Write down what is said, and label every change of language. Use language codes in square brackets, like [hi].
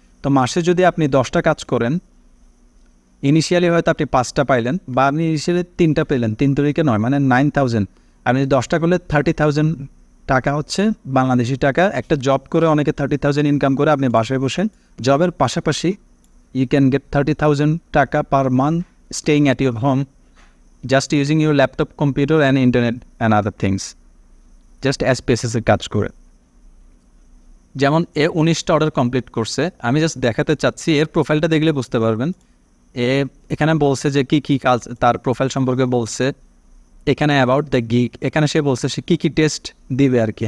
[bn] তো মাসে যদি আপনি 10টা কাজ করেন, ইনিশিয়ালি হয়তো আপনি 5টা পাইলেন বা আপনি ইনিশিয়ালি 3টা পেলেন, 3 তারিখে 9, মানে 9,000, আপনি 10টা করলে $30,000 হচ্ছে বাংলাদেশি টাকা। একটা জব করে অনেকে 30,000 ইনকাম করে, আপনি বাসায় বসেন জবের পাশাপাশি [en] You can get $30,000 per month staying at your home, just using your laptop, computer, and internet, and other things. [bn] Just SPSS এ কাজ করে। যেমন এ 19টা অর্ডার কমপ্লিট করছে, আমি জাস্ট দেখাতে চাচ্ছি এর প্রোফাইলটা দেখলে বুঝতে পারবেন। এ এখানে বলছে যে কি কি কাজ, তার প্রোফাইল সম্পর্কে বলছে। এখানে অ্যাবাউট দ্য গিগ, এখানে সে বলছে সে কি কি টেস্ট দিবে আর কি।